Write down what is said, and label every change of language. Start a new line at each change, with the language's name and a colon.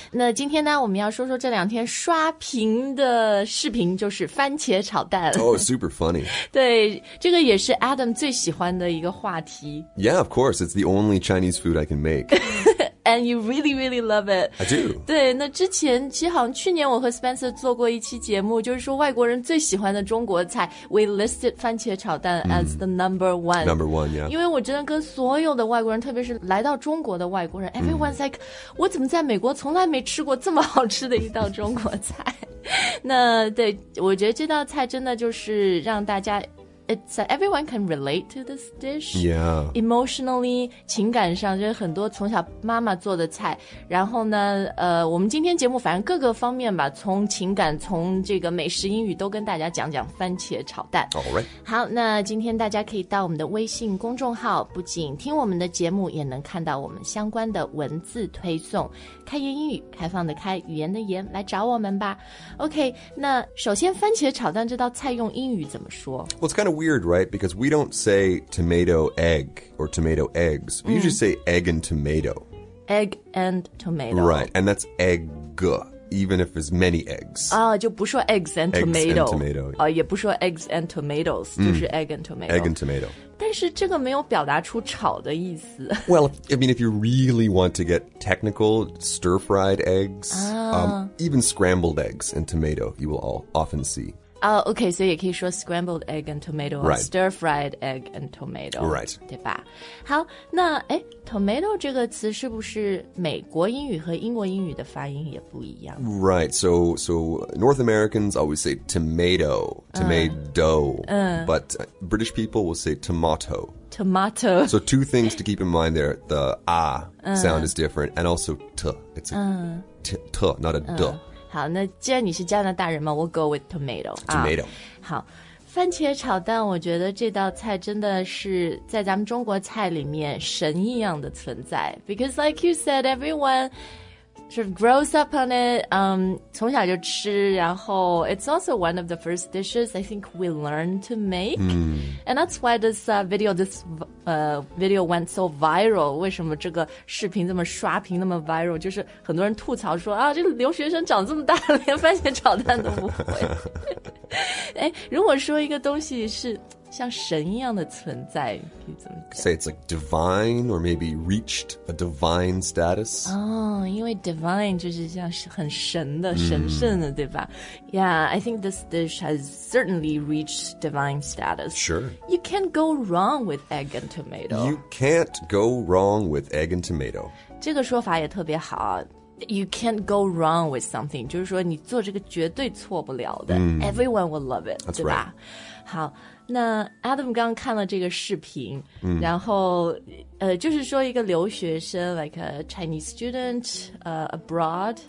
Chinese: 那今天呢，我们要说说这两天刷屏的视频，就是番茄炒蛋。
English: Oh, super funny.
Chinese: 对，这个也是 Adam 最喜欢的一个话题。
English: Yeah, of course, it's the only Chinese food I can make. And you really, really love it. I do.
Chinese: 对，那之前其实好像去年我和 Spencer 做过一期节目，就是说外国人最喜欢的中国菜。
English: We listed 番茄炒蛋as the number one. Number one, yeah.
Chinese: 因为我真的跟所有的外国人，特别是来到中国的外国人，
English: everyone's like,
Chinese: 我怎么在美国从来没吃过这么好吃的一道中国菜？那对，我觉得这道菜真的就是让大家。
English: It's everyone can relate to this dish. Yeah. Emotionally,
Chinese: 情感上就是很多从小妈妈做的菜。然后呢，我们今天节目反正各个方面吧，从情感，从这个美食英语都跟大家讲讲番茄炒蛋。
English: All right.
Chinese: 好，那今天大家可以到我们的微信公众号，不仅听我们的节目，也能看到我们相关的文字推送。开言英语，开放的开，语言的言，来找我们吧。OK, 那首先番茄炒蛋这道菜用英语怎么说？
English: Kind of weird, right? Because we don't say tomato egg or tomato eggs. We usually say egg and tomato. Egg and tomato. Right, and that's egg, even if there's many eggs.
Chinese: 就不说
English: eggs and tomato. Eggs and tomato.
Chinese: 也不说
English: eggs and tomatoes,
Chinese: 就是
English: egg and tomato. Egg and tomato.
Chinese: 但是这个没有表达出炒的意思。
English: Well, I mean, if you really want to get technical, stir-fried eggs, even scrambled eggs and tomato, you will all often see. Okay, so you can say scrambled egg and tomato, right. Or stir-fried egg and tomato. Right.
Chinese: 对吧？好，那诶 tomato 这个词是不是美国英语和英国英语的发音也不一样？
English: Right, so North Americans always say tomato, tomato, but British people will say tomato. Tomato. So two things to keep in mind there, the ah sound is different, and also t, it's a t, not a d.
Chinese: 好，那既然你是加拿大人嘛，我
English: go with tomato. Tomato.、
Chinese: 好，番茄炒蛋，我觉得这道菜真的是在咱们中国菜里面神一样的存在。
English: Because like you said, everyone sort of grows up on it.
Chinese: 从小就吃，然后
English: it's also one of the first dishes I think we learn to make.、And that's why this video went so viral.
Chinese: 为什么这个视频这么刷屏那么 viral? 就是很多人吐槽说啊，这个留学生长这么大连番茄炒蛋都不会。哎，如果说一个东西是像神一样的存在，你怎么
English: say it's like divine or maybe reached a divine status?
Chinese: 哦，因为 divine 就是像很神的、神圣的，对吧？
English: Yeah, I think this dish has certainly reached divine status. Sure. You can't go wrong with egg and tomato. You can't go wrong with egg and tomato.
Chinese: 这个说法也特别好。
English: You can't go wrong with something.
Chinese: 就是说你做这个绝对错不了的。
English: Everyone will love it, That's
Chinese: 对吧？
English: Right.
Chinese: 好。那 Adam 刚刚看了这个视频、然后就是说一个留学生
English: like a Chinese student abroad